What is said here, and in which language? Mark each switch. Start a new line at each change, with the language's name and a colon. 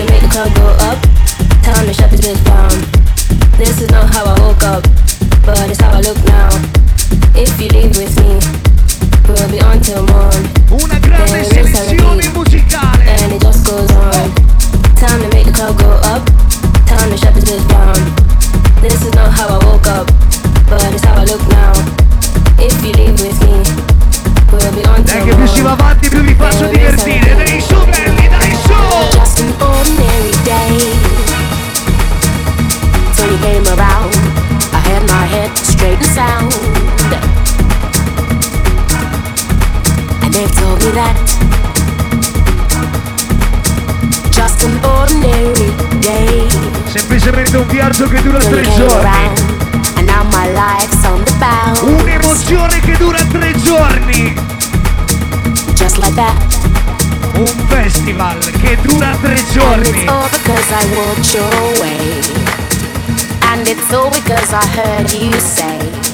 English: sitting down. This is not how I woke up, but it's how I look now. If you leave with me, we'll be on till morn.
Italian: Una grande selezione musicale.
English: And it just goes on. Time to make the club go up. Time to shut this bitch down. This is not how I woke up, but it's how I look now. If you leave with me, we'll be on till morn.
Italian: E che più si va avanti, più vi faccio divertire. Dai su, belli, dai su.
English: Just an ordinary day. When you came around, I had my head straight and sound. And they told me that just an ordinary day.
Italian: Semplicemente un viaggio che dura tre giorni.
English: And now my life's on the bounce.
Italian: Un'emozione che dura tre giorni.
English: Just like that.
Italian: Un festival che dura tre giorni.
English: And it's all because I walked your way. And it's all because I heard you say.